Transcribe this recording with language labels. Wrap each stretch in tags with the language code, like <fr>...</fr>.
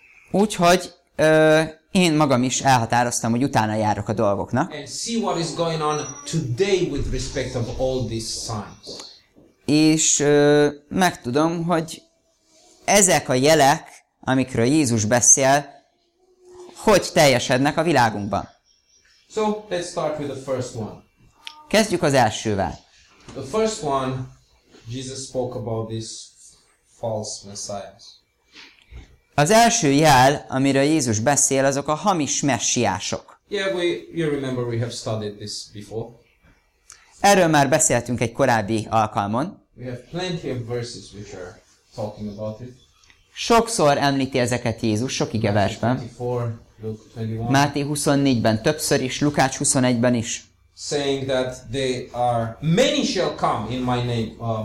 <hu>Úgyhogy én magam is elhatároztam, hogy utána járok a dolgoknak.</hu> <en>And see what is going on today with respect of all these signs.</en> <hu>És megtudom, hogy ezek a jelek, amikről Jézus beszél, hogy teljesednek a világunkban.</hu> <en>So, let's start with the first one.</en> <hu>Kezdjük az elsővel.</hu> <en>The first one, Jesus spoke about this false messiahs.</en> <hu>Az első jel, amiről Jézus beszél, azok a hamis messiások.</hu> <en>Yeah, you remember we have studied this before.</en> <hu>Erről már beszéltünk egy korábbi alkalmon.</hu> <en>We have plenty of verses which are talking about it.</en> <hu>Sokszor említi ezeket Jézus, sok igeversben. Máté 24-ben többször is, Lukács 21-ben is.</hu> <en>Saying that they are many shall come in my name.</en>